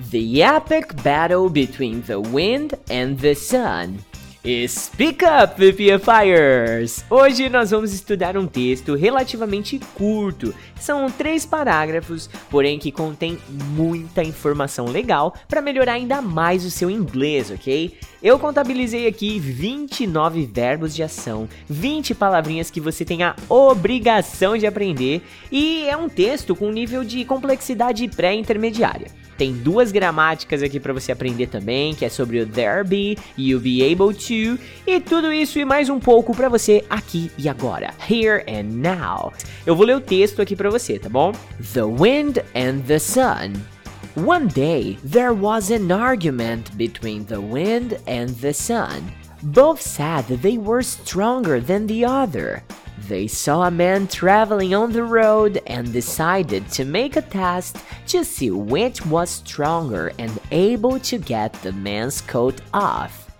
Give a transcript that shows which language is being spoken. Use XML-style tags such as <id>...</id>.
<en>The epic battle between the wind and the sun. Speak up, VPFIers!</en> <pt>Hoje nós vamos estudar um texto relativamente curto. São três parágrafos, porém que contém muita informação legal para melhorar ainda mais o seu inglês, ok? Eu contabilizei aqui 29 verbos de ação, 20 palavrinhas que você tem a obrigação de aprender e é um texto com nível de complexidade pré-intermediária. Tem duas gramáticas aqui para você aprender também, que é sobre o there be e o be able to, e tudo isso e mais um pouco para você aqui e agora,</pt> <en>here and now.</en> <pt>Eu vou ler o texto aqui para você, tá bom?</pt> <en>The wind and the sun. One day, there was an argument between the wind and the sun. both said that they were stronger than the other. They saw a man traveling on the road and decided to make a test to see which was stronger and able to get the man's coat off.</en>